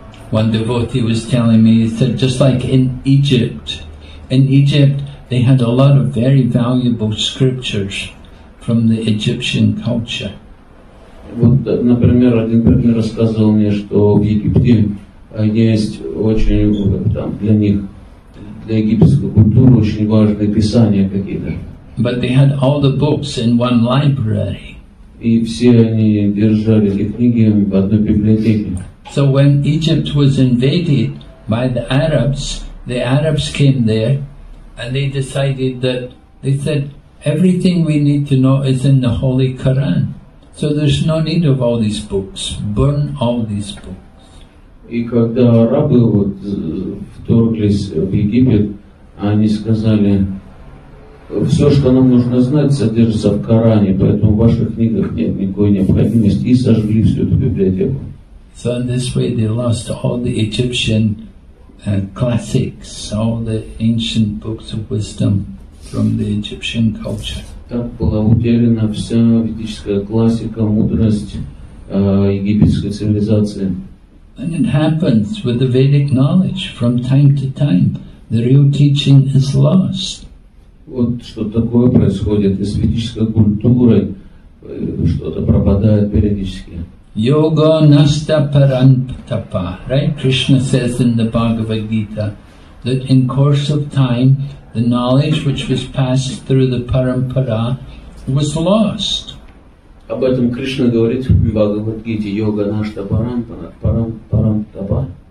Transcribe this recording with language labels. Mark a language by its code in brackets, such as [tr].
[en] One devotee was telling me, he said, just like in Egypt they had a lot of very valuable scriptures from the Egyptian culture. [ru] Вот, например, один парень рассказывал мне, что в Египте есть очень там для них, для египетской культуры очень важные писания какие-то. [en] But they had all the books in one library. [ru] И все они держали эти книги в одной библиотеке. [en] So when Egypt was invaded by the Arabs came there and they decided that, they said, everything we need to know is in the Holy Quran. So there's no need of all these books. Burn all these books. [ru] И когда арабы вот вторглись в Египет, они сказали, все, что нам нужно знать, содержится в Коране, поэтому в ваших книгах нет никакой необходимости, и сожгли всю эту библиотеку. [en] So in this way they lost all the Egyptian classics, all the ancient books of wisdom from the Egyptian culture. [ru] Так была утеряна вся ведическая классика, мудрость египетской цивилизации. [en] And it happens with the Vedic knowledge from time to time. The real teaching is lost. [ru] Вот что такое происходит с ведической культурой, что-то пропадает периодически. [sa] Yoga nasta parantapa, right? [en] Krishna says in the Bhagavad Gita that in course of time the knowledge which was passed through the parampara was lost. [ru] Об этом Кришна говорит в Бхагавад Гите, [sa] йога нашта парантапа.